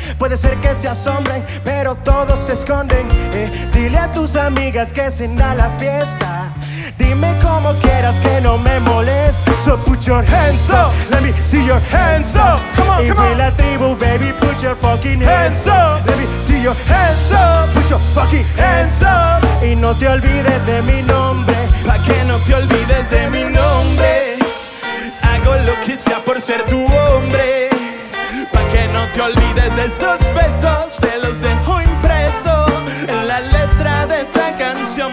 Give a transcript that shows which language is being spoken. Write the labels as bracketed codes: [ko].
[es] Puede ser que se asombren, pero todos se esconden. Dile a tus amigas que se da la fiesta. Dime como quieras que no me moleste. [en] So put your hands up, let me see your hands up. Come on, come on. [es] Y la tribu, [en] baby, put your fucking hands up. Let me see your hands up. Put your fucking hands up. [es] Y no te olvides de mi nombre. Pa' que no te olvides de mi nombre. Hago lo que sea por ser tu hombre. Pa' que no te olvides de estos besos. Te los dejo impreso en la letra de esta canción.